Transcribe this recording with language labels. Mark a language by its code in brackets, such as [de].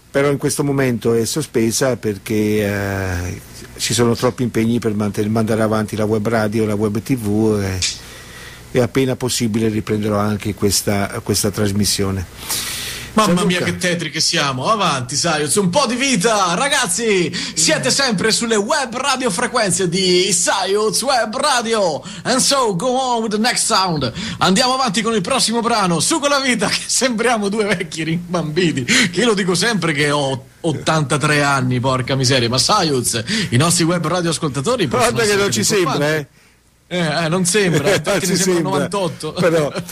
[it] Però in questo momento è sospesa perché ci sono troppi impegni per mandare avanti la web radio, la web tv, e appena possibile riprenderò anche questa trasmissione. Mamma mia, che tetri che siamo. Avanti, Saius, un po' di vita, ragazzi. Siete sempre sulle web radio frequenze di Saius Web Radio. [en] And so go on with the next sound. [it] Andiamo avanti con il prossimo brano. Su con la vita, che sembriamo due vecchi rimbambiti. Che io lo dico sempre che ho 83 anni, porca miseria. Ma Saius, i nostri web radio ascoltatori, guarda che non ci sembra, Non sembra, perché sembra 98. Però,